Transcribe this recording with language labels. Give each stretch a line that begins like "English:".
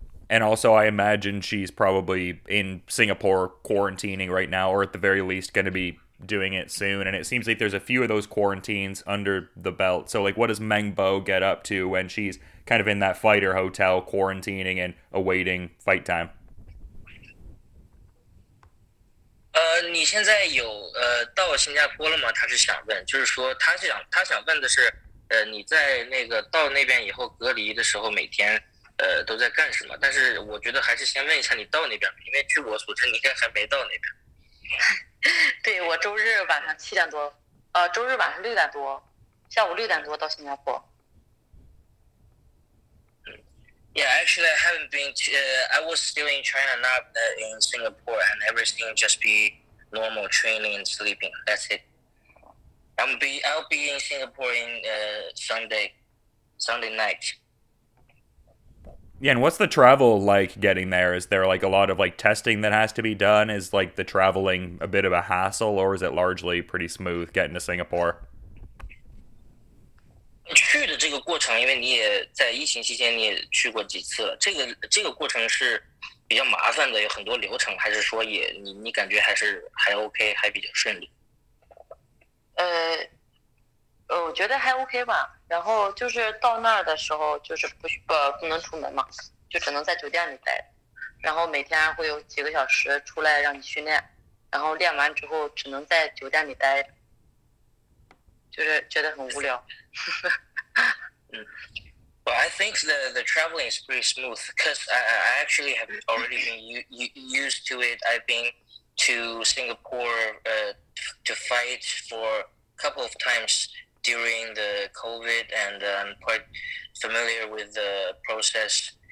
English: And also, I imagine she's probably in Singapore quarantining right now, or at the very least going to be doing it soon. And it seems like there's a few of those quarantines under the belt. So, like, what does Meng Bo get up to when she's kind of in that fighter hotel quarantining and awaiting fight time?
Chinese: 你现在有到新加坡了吗？他是想问，就是说他想问的是，你在那个到那边以后隔离的时候每天都在干什么？但是我觉得还是先问一下你到那边，因为据我所知，你应该还没到那边。对，我周日晚上7点多，周日晚上6点多，下午6点多到新加坡。
English: Yeah, actually, I haven't been. I was still in China, not in Singapore, and everything just be normal training and sleeping. That's it. I'll be in Singapore in Sunday night. Yeah, and what's the travel like getting there? Is there like a lot of like testing that has to be done? Is like the traveling a bit of a hassle, or is it largely pretty smooth getting to Singapore?
Chinese: 去的这个过程，因为你也在疫情期间你也去过几次了，这个过程是比较麻烦的，有很多流程，还是说也你感觉还 OK，还比较顺利？我觉得还 OK 吧。然后就是到那儿的时候，就是不能出门嘛，就只能在酒店里待。然后每天会有几个小时出来让你训练，然后练完之后只能在酒店里待着，就是觉得很无聊。
English: Well, I think the traveling is pretty smooth because I actually have already been used to it. I've been to Singapore to fight for a couple of times during the COVID, and I'm quite familiar with the process.